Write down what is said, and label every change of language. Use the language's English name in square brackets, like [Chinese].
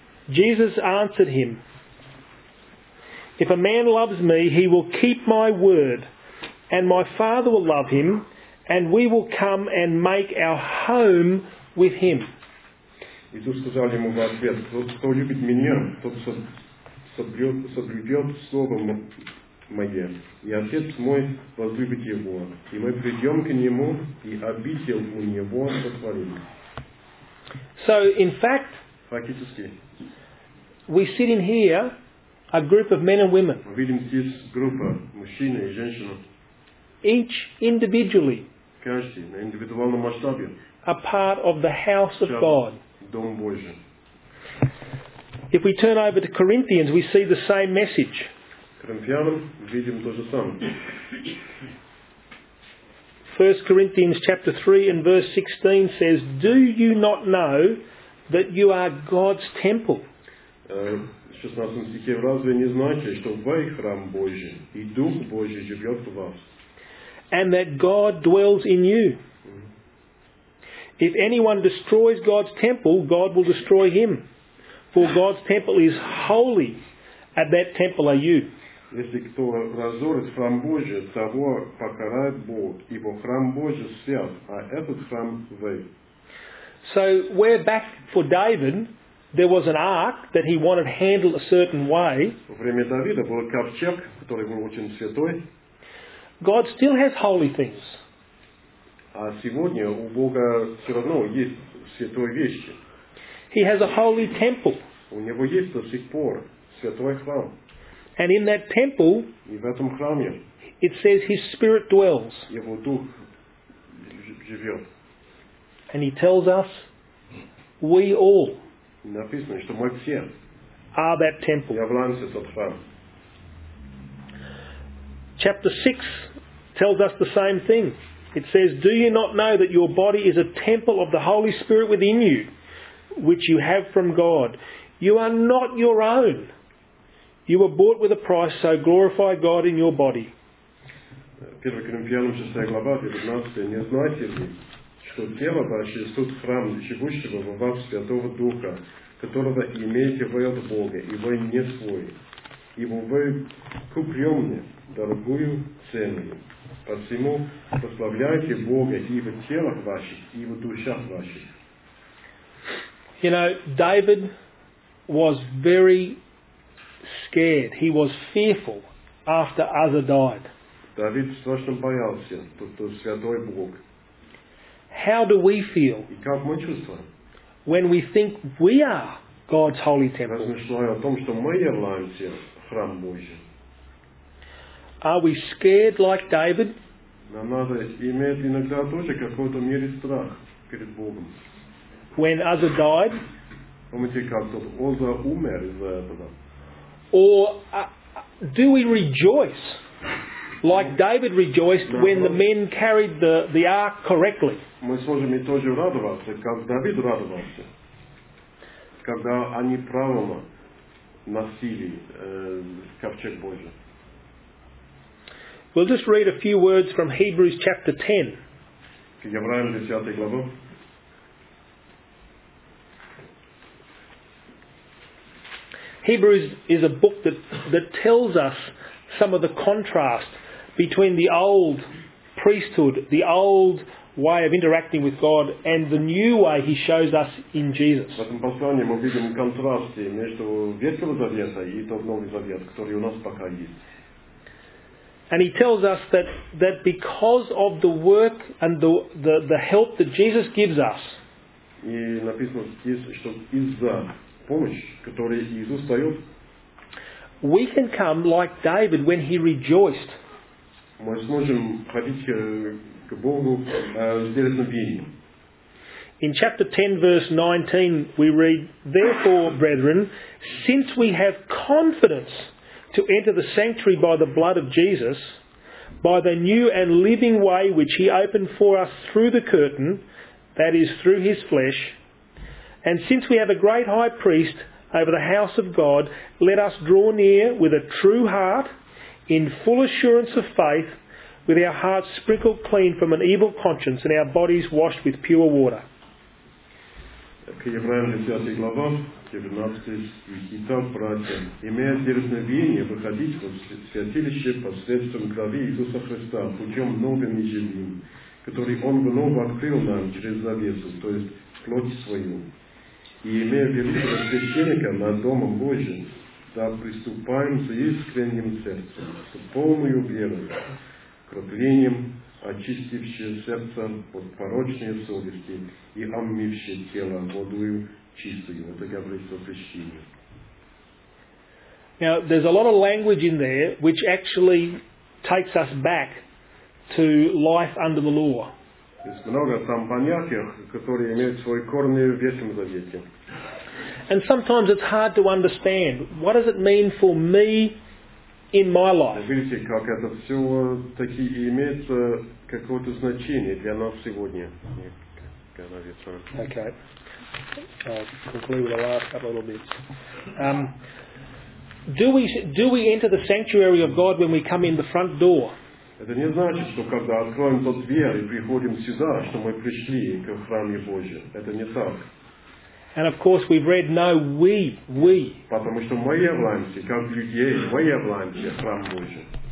[English] Jesus answered him, "If a man loves me, he will keep my word, and my Father will love him, and we will come and make our home with him." [Russian] Иисус сказал ему в ответ, кто любит меня, тот соблюдет слово мое, и отец мой возлюбит его, и мы придем к нему, и обитель у него сотворим. [English] So, in fact, [Russian] фактически, [English] we sit in here, a group of men and women. [Russian] Мы видим здесь группа мужчин и женщин. [English] Each individually. [Russian] Каждый на индивидуальном масштабе. [English] A part of the house of God. [Russian] Дом Божий. [English] If we turn over to Corinthians, we see the same message. [Russian] Коринфянам видим то же самое. [English] 1 Corinthians chapter 3 and verse 16 says, "Do you not know that you are God's temple?" [Russian] 16 стихе, разве не знаете, что вы храм Божий, и Дух Божий живет в вас? [English] And that God dwells in you. If anyone destroys God's temple, God will destroy him. For God's temple is holy, and that temple are you. [Russian] Если кто разорит храм Божий, того покарает Бог, ибо храм Божий свят, а этот храм вы. [English] So we're back for David. There was an ark that he wanted handled a certain way. [Russian] Во время Давида был ковчег, который был очень святой. [English] God still has holy things. [Russian] А сегодня у Бога все равно есть святые вещи. [English] He has a holy temple. [Russian] У него есть до сих пор святой храм. [English] And in that temple, [Russian] и в этом храме, [English] it says his spirit dwells. [Russian] Его дух живет. [English] And he tells us, we all. [Russian] Написано, что мы все [English] are that temple. [Russian] Являемся тот храм. [English] Chapter 6 tells us the same thing. It says, "Do you not know that your body is a temple of the Holy Spirit within you, which you have from God? You are not your own. You were bought with a price, so glorify God in your body." [Russian] 1 Коринфянам 6 глава, 19. "Не знаете ли, что тело ваше есть тут храм живущего во вас Святого Духа, которого имеете вы от Бога, и вы не свой? Ибо вы купленные дорогую цену. Посему прославляйте Бога и в телах ваших, и в душах ваших." [English] You know, David was very scared. He was fearful after Uzza died. [Russian] Давид страшно боялся, тот святой Бог. [English] How do we feel? [Russian] И как мы чувствуем? [English] When we think we are God's holy temple. [Russian] Размышляя о том, что мы являемся храм Божий. [English] Are we scared like David? [Russian] Нам надо иметь иногда тоже какой-то мере страх перед Богом. [English] When Uzza died? [Russian] Помните, как тот Уза умер из-за этого? [English] Or do we rejoice like David rejoiced when the men carried the ark correctly? [Russian] Мы сможем и тоже радоваться, как Давид радовался, когда они правильно носили ковчег Божий. [English] We'll just read a few words from Hebrews chapter 10. [Russian] К Евреям 10 главу. [English] Hebrews is a book that tells us some of the contrast between the old priesthood, the old way of interacting with God, and the new way he shows us in Jesus. [Russian] В этом послании мы видим контраст между Ветхого Завета и тот Новый Завет, который у нас пока есть. [English] And he tells us that because of the work and the help that Jesus gives us, [Russian] и написано здесь, что из-за помощи, которую Иисус дает, [English] we can come like David when he rejoiced. [Russian] мы сможем ходить к Богу с дерзновением. [English] In chapter 10, verse 19, we read, "Therefore, brethren, since we have confidence to enter the sanctuary by the blood of Jesus, by the new and living way which he opened for us through the curtain, that is, through his flesh, and since we have a great high priest over the house of God, let us draw near with a true heart, in full assurance of faith, with our hearts sprinkled clean from an evil conscience and our bodies washed with pure water." [Russian] К Евреям 10 глава, 19 стихи, там, братья, имея дерзновение выходить в святилище посредством крови Иисуса Христа, путем новым и живым, который Он вновь открыл нам через завесу, то есть плоть свою, и имея великого священника над Домом Божьим, да приступаем с искренним сердцем, с полной верой, кроплением, очистившее сердце от порочной совести и омывшее тело водою чистую. Это говорит о крещении. [English] Now, there's a lot of language in there which actually takes us back to life under the law. [Russian] Есть много там понятий, которые имеют свои корни в Ветхом Завете. [English] And sometimes it's hard to understand. What does it mean for me in my life? [Russian] Видите, как это все таки имеет какое-то значение для нас сегодня. [English] Okay. I'll conclude with the last couple of bits. Do we enter the sanctuary of God when we come in the front door? [Russian] Это не значит, что когда откроем тот дверь и приходим сюда, что мы пришли к храму Божию. Это не так. [English] And of course we've read, no, we. [Russian] Потому что мы являемся, как людей, мы являемся храм Божий.